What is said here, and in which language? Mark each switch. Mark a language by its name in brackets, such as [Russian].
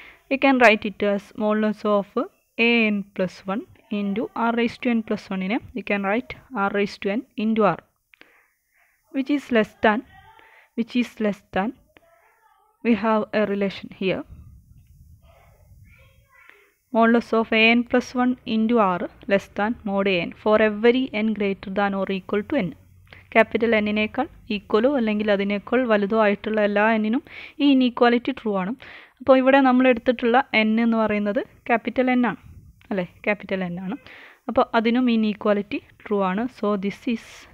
[English] We can write it as modulus of a n plus one into r raise to n plus വണ്ണിനെ we can write r raise to n into r, which is less than, which is less than, we have a relation here. Modulus of an plus 1 into r less than mod an for every n greater than or equal to n. [Malayalam] Capital N നേക്കാൾ ഈക്വലോ അല്ലെങ്കിൽ അതിനേക്കാൾ വലുതോ ആയിട്ടുള്ള എല്ലാ എന്നിനും ഈ inequality true ആണ്. അപ്പോൾ ഇവിടെ നമ്മൾ എടുത്തിട്ടുള്ള n എന്ന് പറയുന്നത് ക്യാപിറ്റൽ N ആണ് അല്ലേ, ക്യാപിറ്റൽ N ആണ്. അപ്പോൾ അതിനും ഇനീക്വാലിറ്റി ട്രൂ ആണ്. [English] so this is